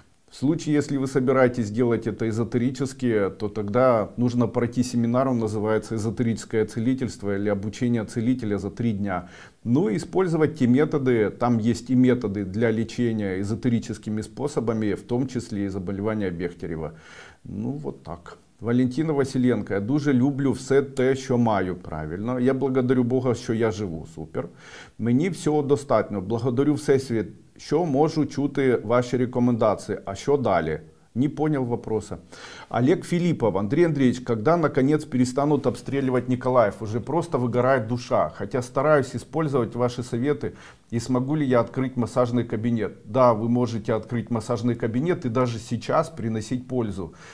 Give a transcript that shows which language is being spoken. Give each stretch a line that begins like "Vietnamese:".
Russian: В случае, если вы собираетесь делать это эзотерически, то тогда нужно пройти семинар, он называется «Эзотерическое целительство» или «Обучение целителя за 3 дня». Ну и использовать те методы, там есть и методы для лечения эзотерическими способами, в том числе и заболевания Бехтерева. Ну вот так.
Ukrainian: Валентина Василенко. Я дуже люблю все те, що маю. Правильно.
Russian: Я благодарю Бога,
Ukrainian: що я живу. Супер. Мені всього достатньо. Благодарю Всесвіт. Що можу чути ваші рекомендації? А що далі?
Russian: Не понял вопроса. Олег Филиппов. Андрей Андреевич, когда наконец перестанут обстреливать Николаев? Уже просто выгорает душа. Хотя стараюсь использовать ваши советы. И смогу ли я открыть массажный кабинет? Да, вы можете открыть массажный кабинет и даже сейчас приносить пользу.